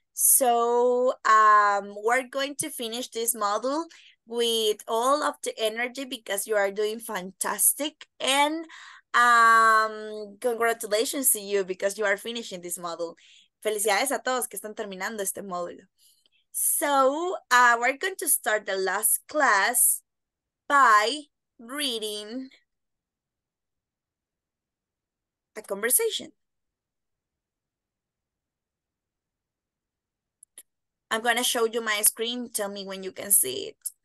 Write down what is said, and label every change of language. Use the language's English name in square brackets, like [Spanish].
[English] So, we're going to finish this module with all of the energy because you are doing fantastic and congratulations to you because you are finishing this module. [Spanish] Felicidades a todos que están terminando este módulo. [English] So, we're going to start the last class by reading a conversation. I'm going to show you my screen. Tell me when you can see it.